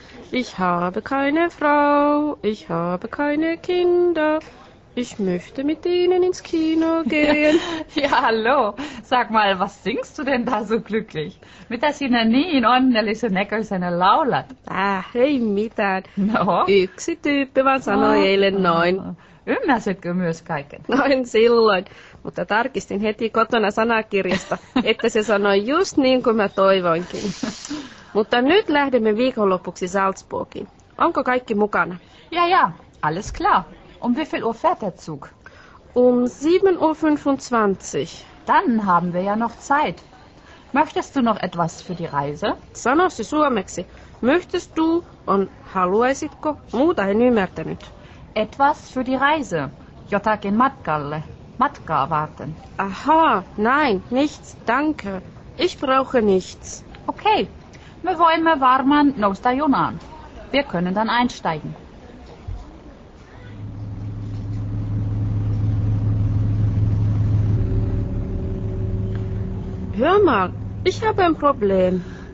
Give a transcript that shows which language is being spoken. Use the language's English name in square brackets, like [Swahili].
[German] Ich habe keine Frau, ich habe keine Kinder. Ich möchte mit ihnen ins Kino gehen. Ja, hallo. Sag mal, was singst du denn da so glücklich? [Finnish] Mitä sinä niin onnellisen näköisenä laulat? Ei mitään. No? Yksi tyyppi vaan sanoi eilen noin. Ymmärsitkö myös kaiken? Noin silloin, mutta tarkistin heti kotona sanakirjasta, että se sanoi just niin kuin mä toivoinkin. Mutta nyt lähdemme viikonlopuksi Salzburgiin. Onko kaikki mukana? [German] Ja, alles klar. Um wie viel Uhr fährt der Zug? Um 7:25 Uhr. Dann haben wir ja noch Zeit. Möchtest du noch etwas für die Reise? [Finnish] Sano se suomeksi. [German] Möchtest du und [Finnish] haluaisitko? Muuta en ymmärtänyt. [German] Etwas für die Reise. [Finnish] Jotakin matkalle. Matka [German] warten. Aha, nein, nichts, danke. Ich brauche nichts. [Finnish] Okay, me voimme varmaan nousta junaan. [German] Wir können dann einsteigen. Hör mal, ich habe ein Problem.